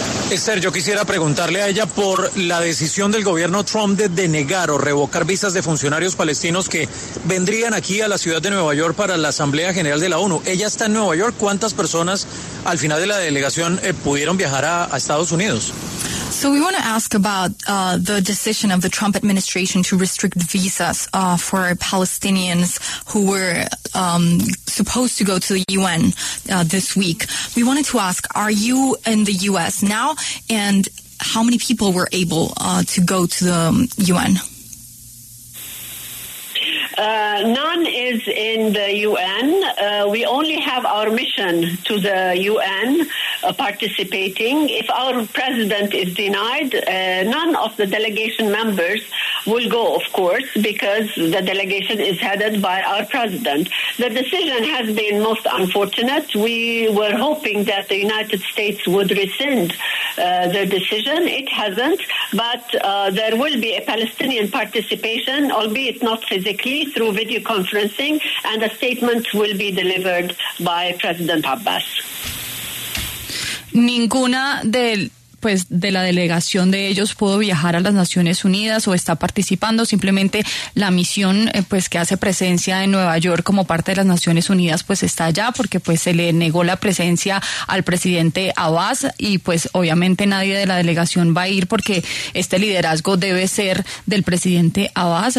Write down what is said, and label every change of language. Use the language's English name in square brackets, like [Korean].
[Spanish] Esther, yo quisiera preguntarle a ella por la decisión del gobierno Trump de denegar o revocar visas de funcionarios palestinos que vendrían aquí a la ciudad de Nueva York para la Asamblea General de la ONU. Ella está en Nueva York. ¿Cuántas personas al final de la delegación pudieron viajar a Estados Unidos? [English] So we want to ask about the decision of the Trump administration to restrict visas for Palestinians who were supposed to go to the UN this week. We wanted to ask, are you in the U.S. now, and how many people were able to go to the UN? None is in the UN. We only have our mission to the UN participating. If our president is denied, none of the delegation members will go, of course, because the delegation is headed by our president. The decision has been most unfortunate. We were hoping that the United States would rescind the decision. It hasn't, but there will be a Palestinian participation, albeit not physically, through video conferencing, and a statement will be delivered by President Abbas. [Spanish] Ninguna de, pues, de la delegación de ellos pudo viajar a las Naciones Unidas o está participando. Simplemente la misión, pues, que hace presencia en Nueva York como parte de las Naciones Unidas, pues está allá, porque pues se le negó la presencia al presidente Abbas, y pues obviamente nadie de la delegación va a ir, porque este liderazgo debe ser del presidente Abbas.